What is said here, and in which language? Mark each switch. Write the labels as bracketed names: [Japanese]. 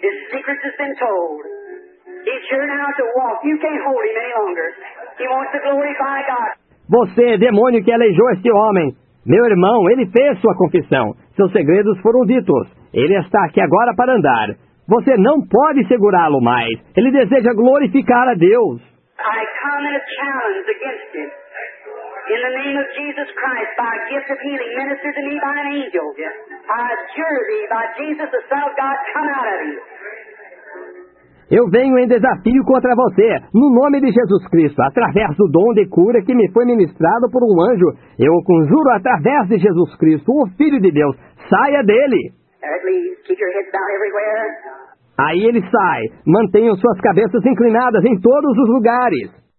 [English] This secret has been told. He's sure now to walk. You can't hold him any longer. He wants to glorify God. [Portuguese] Você, demônio que aleijou este homem. Meu irmão, ele fez sua confissão. Seus segredos foram ditos. Ele está aqui agora para andar. Você não pode segurá-lo mais. Ele deseja glorificar a Deus. [English] I come in a challenge against him. In the name of Jesus Christ, by a gift of healing, ministered to me by an angel. I adjure thee, by Jesus, the Son of God, come out of him. [Portuguese] Eu venho em desafio contra você, no nome de Jesus Cristo, através do dom de cura que me foi ministrado por um anjo. Eu o conjuro através de Jesus Cristo, o Filho de Deus. Saia dele! [English] Keep your heads down everywhere. [Portuguese] Aí ele sai. Mantenham suas cabeças inclinadas em todos os lugares.